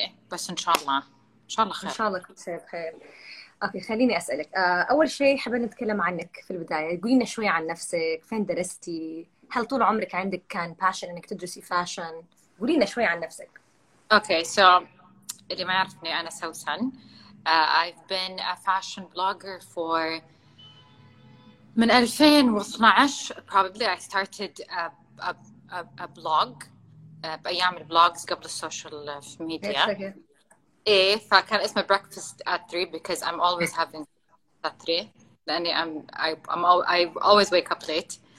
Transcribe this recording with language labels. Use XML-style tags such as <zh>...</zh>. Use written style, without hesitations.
<ar>بس إن شاء الله. إن شاء الله خير. إن شاء الله كل شيء بخير. أوكي خليني أسألك. أول شيء حابة نتكلم عنك في البداية. قولينا شوي عن نفسك. فين درستي؟ هل طول عمرك عندك كان passion إنك تدرسي fashion؟ قولينا شوي عن نفسك. Okay, so اللي ما يعرفني أنا سوسن.</ar> <en>I've been a fashion blogger for</en> <ar>من</ar> <en>2012 probably. I started a blog</en> <ar>بأيام البلوجز قبل السوشيال ميديا. إيه فكان اسمه</ar> <en>breakfast at 3 because I'm always having at 3</en> <ar>لأني</ar> <en>I always wake up late.</en>